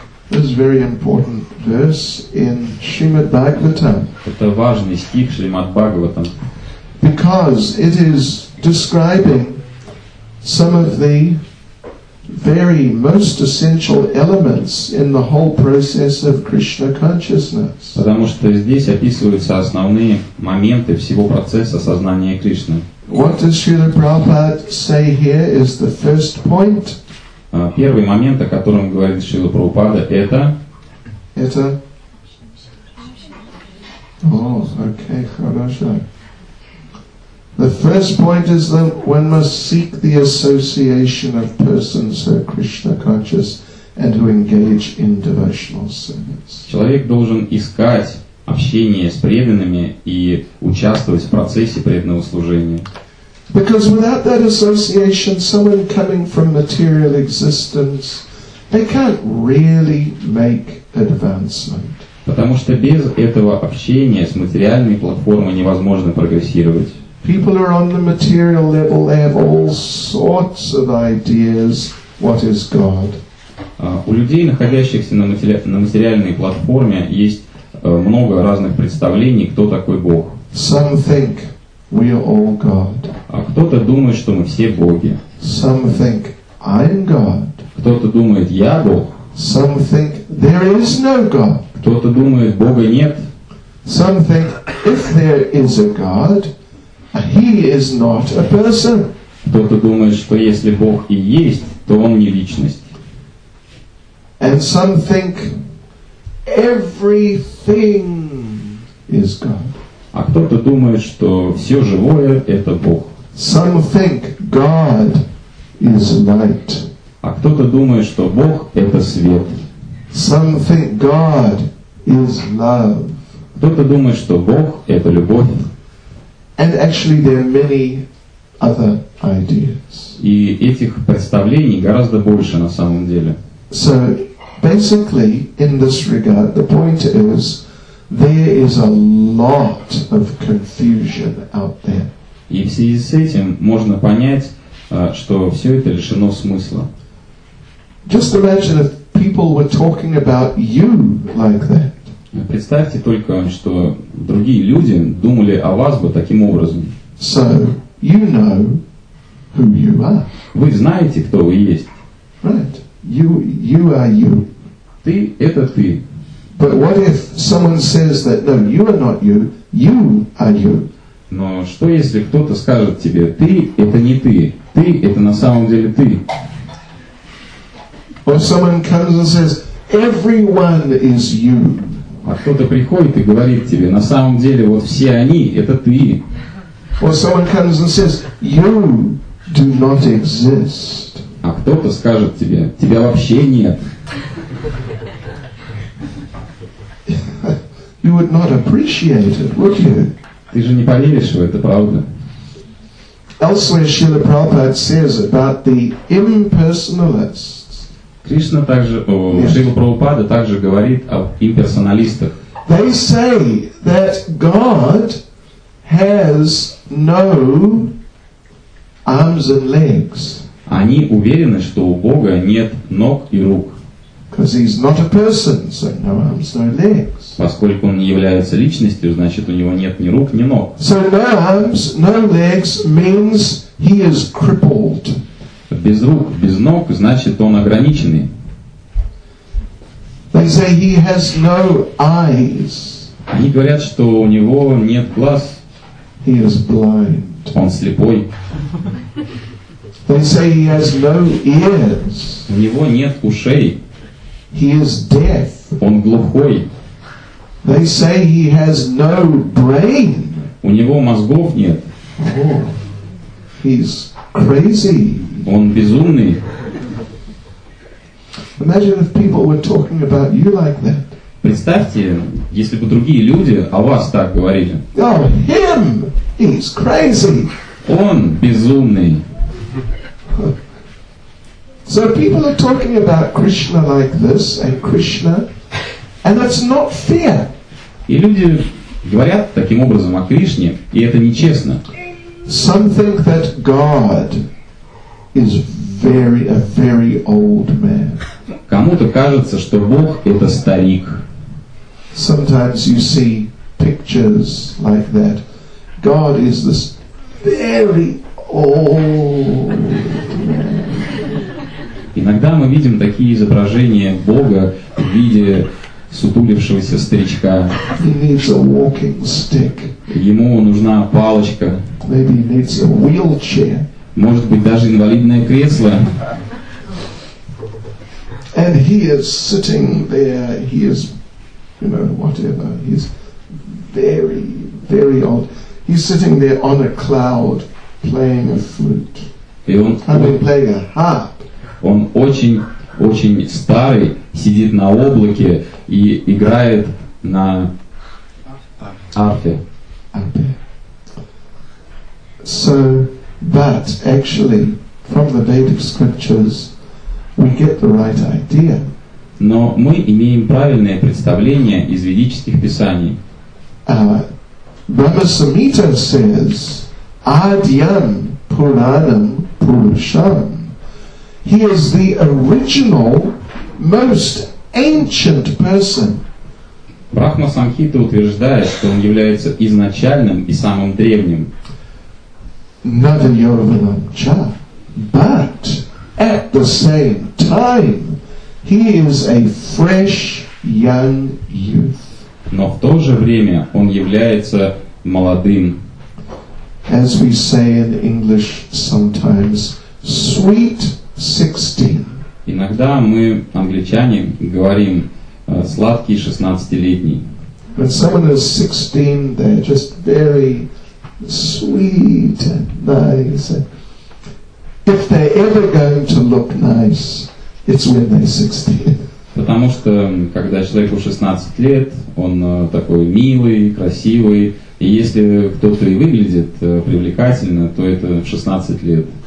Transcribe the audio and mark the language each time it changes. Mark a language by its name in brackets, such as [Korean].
[English] This is a very important verse in Srimad Bhagavatam. [Russian] Это важный стих Шримад Бхагаватам. [English] Because it is describing some of the very most essential elements in the whole process of Krishna consciousness. [Russian] Потому что здесь описываются основные моменты всего процесса сознания Кришны. [English] What does Srila Prabhupada say here is the first point. [Russian] Первый момент, о котором говорит Шрила Прабхупада, это... Это... [English] Oh, okay, [Russian] хорошо. [English] The first point is that one must seek the association of persons who are Krishna conscious and who engage in devotional service. [Russian] Человек должен искать общение с преданными и участвовать в процессе преданного служения. [English] Because without that association, someone coming from material existence, they can't really make advancement. [Russian] Потому что без этого общения с материальной платформой невозможно прогрессировать. [English] People are on the material level, they have all sorts of ideas, what is God. [Russian] У людей, находящихся на материальной платформе, есть много разных представлений, кто такой Бог. [English] Some think we are all God. [Russian] А кто-то думает, что мы все боги. [English] Some think I'm God. [Russian] Кто-то думает, я Бог. [English] Some think there is no God. [Russian] Кто-то думает, Бога нет. [English] Some think if there is a God, He is not a person. [Russian] Кто-то думает, что если Бог и есть, то он не личность. [English] And some think everything is God. [Russian] А кто-то думает, что все живое это Бог. [English] Some think God is light. [Russian] А кто-то думает, что Бог это свет. [English] Some think God is love. [Russian] Кто-то думает, что Бог это любовь. [English] And actually, there are many other ideas. [Russian] И этих представлений гораздо больше на самом деле. [English] So, basically, in this regard, the point is, there is a lot of confusion out there. [Russian] И в связи с этим можно понять, что все это лишено смысла. [English] Just imagine if people were talking about you like that. [Russian] Представьте только, что другие люди думали о вас бы таким образом. [English] So you know who you are. [Russian] Вы знаете, кто вы есть. [English] Right. You are you. [Russian] Ты это ты. [English] But what if someone says that no, you are not you, you are you? [Russian] Но что если кто-то скажет тебе, ты это не ты, ты это на самом деле ты? [English] Or someone comes and says, everyone is you. [Russian] А кто-то приходит и говорит тебе, на самом деле вот все они, это ты. [English] Or someone comes and says, you do not exist. [Russian] А кто-то скажет тебе, тебя вообще нет. [English] You would not appreciate it, would you? [Russian] Ты же не поверишь в это, правда? [English] Elsewhere, Srila Prabhupada says about the impersonalists. [Russian] Кришна также, Шрила Прабхупада также говорит об имперсоналистах. [English] They say that God has no arms and legs. [Russian] Они уверены, что у Бога нет ног и рук. [English] Because he's not a person, so no arms, no legs. [Russian] Поскольку он не является личностью, значит у него нет ни рук, ни ног. [English] So no arms, no legs means he is crippled. [Russian] Без рук, без ног, значит, он ограниченный. [English] They say he has no eyes. [Russian] Они говорят, что у него нет глаз. [English] He is blind. [Russian] Он слепой. [English] They say he has no ears. [Russian] У него нет ушей. [English] He is deaf. [Russian] Он глухой. [English] They say he has no brain. [Russian] У него мозгов нет. [English] Oh, he's crazy. [Russian] Он безумный. [English] Imagine if people were talking about you like that. [Russian] Представьте, если бы другие люди о вас так говорили. [English] Oh, him! He's crazy. [Russian] Он безумный. [English] So people are talking about Krishna like this and Krishna, and that's not fair. [Russian] И люди говорят таким образом о Кришне, и это нечестно. [English] Some think that God is a very old man. [Russian] Кому-то кажется, что Бог это старик. [English] Sometimes you see pictures like that. God is this very old man. [Russian] Иногда мы видим такие изображения Бога в виде сутулившегося старичка. [English] He needs a walking stick. [Russian] Ему нужна палочка. [English] Maybe he needs a wheelchair. [Russian] Может быть, даже инвалидное кресло. [English] And he is sitting there, he is, you know, whatever, he's very, very old. He's sitting there on a cloud, playing a flute. [Russian] И он, [English] I mean, playing a harp. [Russian] Он очень, очень старый, сидит на облаке и играет на арфе. [English] So, but actually, from the Vedic scriptures, we get the right idea. [Russian] Но мы имеем правильное представление из ведических писаний. [English] Brahma Samhita says, [Sanskrit] Adyam Puranam Purusham. [English] He is the original, most ancient person. [Russian] Брахма Самхита утверждает, что он является изначальным и самым древним. [English] Navayovanamcha, but at the same time, he is a fresh young youth. [Russian] Но в то же время он является молодым. [English] As we say in English sometimes, sweet 16. [Russian] Иногда мы, англичане, говорим сладкий 16-летний. [English] When someone is 16, they're just very sweet and nice. If they're ever going to look nice, it's when they're 16. [Russian] Потому что когда человеку 16 лет, он такой милый, красивый. И если кто-то и выглядит привлекательно, то это в 16 лет.